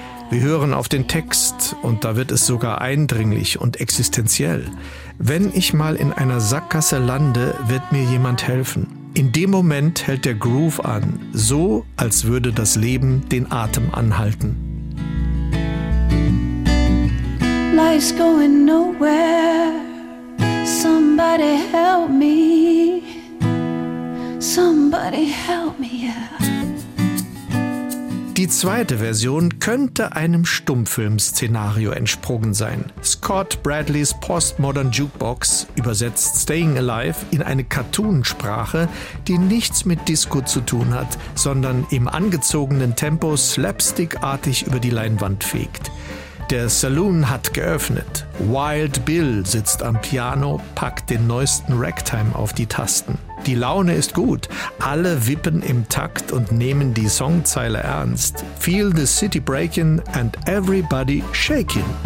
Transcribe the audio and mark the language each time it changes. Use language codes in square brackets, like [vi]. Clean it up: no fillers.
[de] Wir hören auf den Text und da wird es sogar eindringlich und existenziell. Wenn ich mal in einer Sackgasse lande, wird mir jemand helfen. In dem Moment hält der Groove an, so als würde das Leben den Atem anhalten. [en] Life's going nowhere, somebody help me. Somebody help me, yeah. [de] Die zweite Version könnte einem Stummfilm-Szenario entsprungen sein. Scott Bradleys Postmodern Jukebox übersetzt Stayin' Alive in eine Cartoon-Sprache, die nichts mit Disco zu tun hat, sondern im angezogenen Tempo slapstickartig über die Leinwand fegt. Der Saloon hat geöffnet. Wild Bill sitzt am Piano, packt den neuesten Ragtime auf die Tasten. Die Laune ist gut. Alle wippen im Takt und nehmen die Songzeile ernst. [en] Feel the city breaking and everybody shaking.